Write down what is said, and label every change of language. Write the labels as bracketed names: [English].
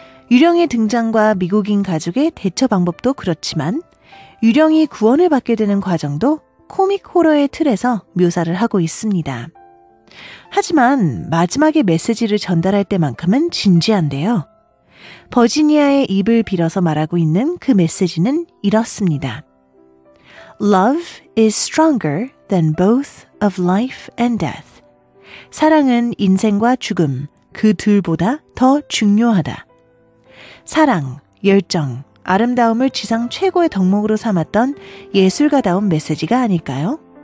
[Korean] 유령의 등장과 미국인 가족의 대처 방법도 그렇지만 유령이 구원을 받게 되는 과정도 코믹 호러의 틀에서 묘사를 하고 있습니다. 하지만 마지막에 메시지를 전달할 때만큼은 진지한데요. 버지니아의 입을 빌어서 말하고 있는 그 메시지는 이렇습니다. [English] Love is stronger than both of life and death. [Korean] 사랑은 인생과 죽음, 그 둘보다 더 중요하다. 사랑, 열정, 아름다움을 지상 최고의 덕목으로 삼았던 예술가다운 메시지가 아닐까요?